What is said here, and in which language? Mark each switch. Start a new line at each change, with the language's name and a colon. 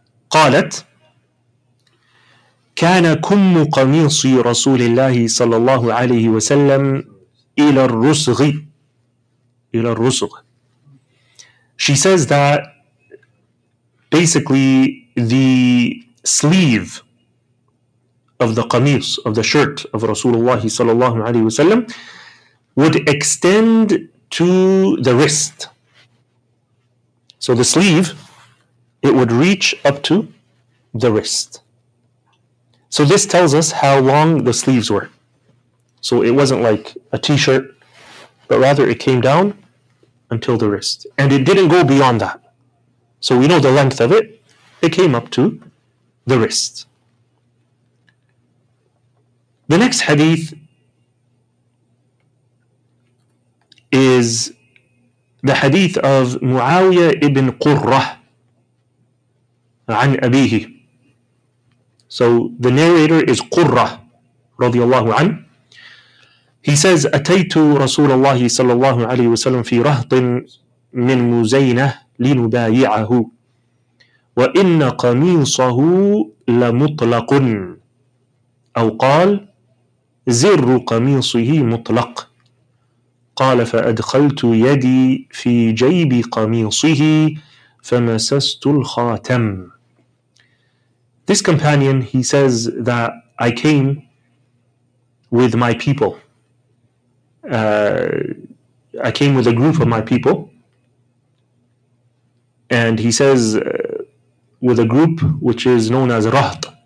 Arabic: قالت كان كم قميص رسول الله صلى الله عليه وسلم إلى الرسغ. إلى الرسغ.
English: She says that basically the sleeve of the qamis, of the shirt of Rasulullah
Arabic: صلى الله عليه وسلم,
English: would extend to the wrist. So the sleeve, it would reach up to the wrist. So this tells us how long the sleeves were. So it wasn't like a t-shirt, but rather it came down until the wrist. And it didn't go beyond that. So we know the length of it. It came up to the wrist. The next hadith is the hadith of Muawiyah ibn Qurrah.
Arabic: عن أبيه.
English: So the narrator is Qurrah
Arabic: رضي الله عنه.
English: He says,
Arabic: أتيت رسول الله صلى الله عليه وسلم في رهط من مزينة لنبايعه وإن قميصه لمطلق أو قال زر قميصه مطلق قال فأدخلت يدي في جيب قميصه فمسست الخاتم.
English: This companion, he says that I came with my people. I came with a group of my people. And he says, with a group which is known as Rahd.